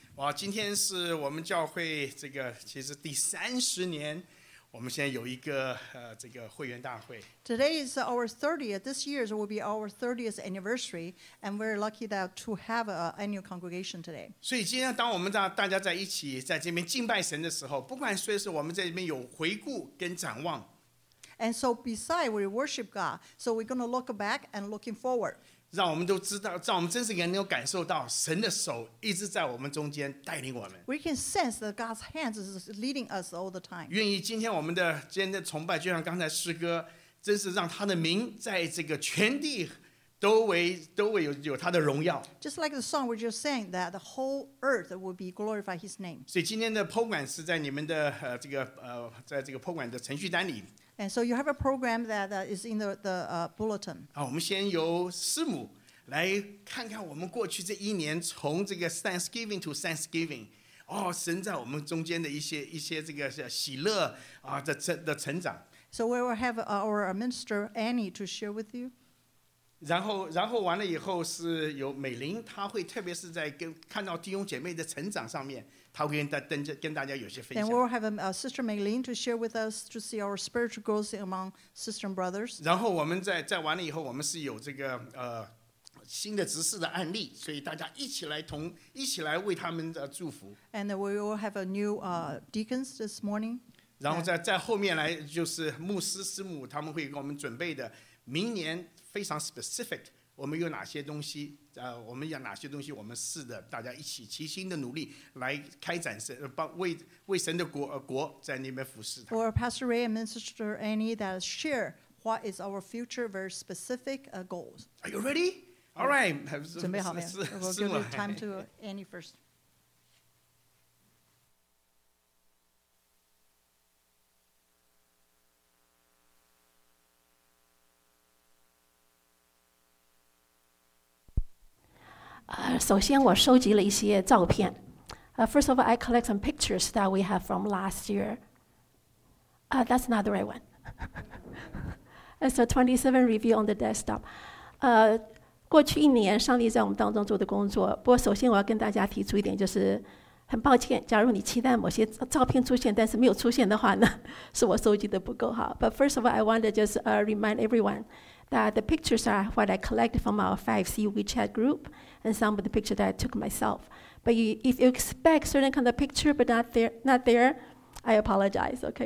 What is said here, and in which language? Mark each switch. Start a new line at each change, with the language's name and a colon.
Chinese: 哇，今天是我们教会这个其实第三十年，我们现在有一个这个会员大会。
English: Today is our 30th. This year will be our 30th anniversary, and we're lucky that to have an annual congregation today.
Chinese: 所以今天当我们大家在一起在这边敬拜神的时候，不管说是我们在这边有回顾跟展望。
English: And so beside we worship God, so we're going to look back and looking forward.
Chinese: 让我们都知道，让我们真是能够感受到神的手一直在我们中间带领我们。
English: We can sense that God's hands is leading us all the time.
Chinese: 愿意今天我们的今天的崇拜，就像刚才诗歌，真是让他的名在这个全地都为有他的荣耀。
English: Just like the song we just sang, that the whole earth will be glorify His name.
Chinese: 所以今天的 program 是在你们的这个在这个 program 的程序单里。
English: And so you have a program that is in the bulletin.
Chinese: 好，我们先由师母来看看我们过去这一年从这个
English: Thanksgiving to Thanksgiving，
Chinese: 哦，神在我们中间的一些这个喜乐啊的成长。
English: So we will have our minister Annie to share with you.
Chinese: 然后完了以后是由美玲，她会特别是在跟看到弟兄姐妹的成长上面。
English: Then we'll have Sister Maylene to share with us to see our spiritual growth among sisters and brothers.
Chinese: 然后我们在完了以后，我们是有这个新的执事的案例，所以大家一起来为他们祝福。
English: And we will have a new deacons this morning.
Chinese: 然后在后面来就是牧师师母他们会给我们准备的明年非常 specific。我们有哪些东西？我们有哪些东西？我们试着大家一起齐心的努力来开展神，为神的国在那边服侍他。
English: For Pastor Ray and Minister Annie, that share what is our future very specific goals. Are you ready? All right.
Chinese: 准备好没有？我们给你
English: time to Annie first.
Chinese: 首先我收集了一些照片。
English: First of all, I collect some pictures that we have from last year. That's not the right one. It's a 27 review on the desktop.
Chinese: 过去一年上帝在我们当中做的工作，不过首先我要跟大家提出一点，就是很抱歉，假如你期待某些照片出现但是没有出现的话呢，是我收集的不够好。
English: But first of all, I want to just remind everyone that the pictures are what I collect from our 5C WeChat groupAnd some of the pictures that I took myself. But if you expect certain kind of picture but not there, I apologize, okay?